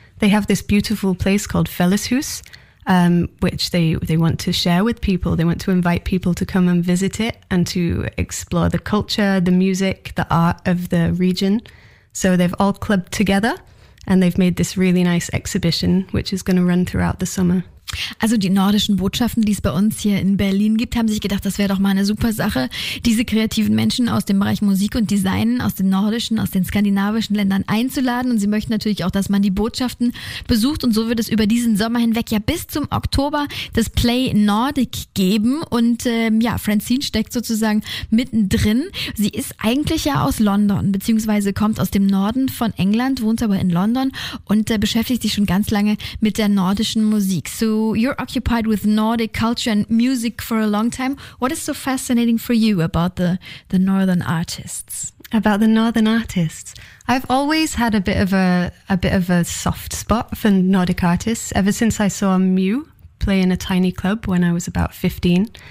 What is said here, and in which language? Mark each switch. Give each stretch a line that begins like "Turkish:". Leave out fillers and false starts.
English: They have this beautiful place called Felleshus, which they want to share with people. They want to invite people to come and visit it and to explore the culture, the music, the art of the region. So they've all clubbed together and they've made this really nice exhibition, which is going to run throughout the summer.
German: Also die nordischen Botschaften, die es bei uns hier in Berlin gibt, haben sich gedacht, das wäre doch mal eine super Sache, diese kreativen Menschen aus dem Bereich Musik und Design, aus den nordischen, aus den skandinavischen Ländern einzuladen. Und sie möchten natürlich auch, dass man die Botschaften besucht. Und so wird es über diesen Sommer hinweg ja bis zum Oktober das Play Nordic geben. Und Francine steckt sozusagen mittendrin. Sie ist eigentlich ja aus London, beziehungsweise kommt aus dem Norden von England, wohnt aber in London und beschäftigt sich schon ganz lange mit der nordischen Musik.
English: So you're occupied with Nordic culture and music for a long time. What is so fascinating for you about the Northern artists? About the Northern artists? I've always had a bit of a soft spot for Nordic artists ever since I saw Mew play in a tiny club when I was about 15.